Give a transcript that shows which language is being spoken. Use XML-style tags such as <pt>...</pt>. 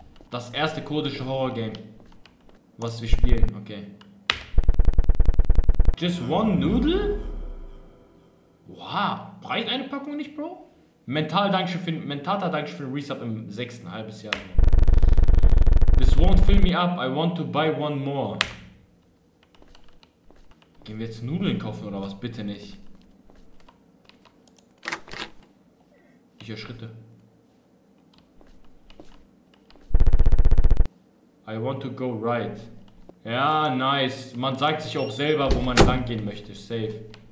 <de>Das erste kurdische Horror-Game, was wir spielen, okay.</de> <en>Just one noodle?</en> <de>Wow, reicht eine Packung nicht, Bro? Mental Dankeschön für, Mentata Dankeschön für den Resub im sechsten, halbes Jahr.</de> <en>This won't fill me up, I want to buy one more.</en> <de>Gehen wir jetzt Nudeln kaufen oder was? Bitte nicht. Ich höre Schritte.</de> <en>I want to go right. Ja, nice.</en> <de>Man sagt sich auch selber, wo man lang gehen möchte. Safe.</de>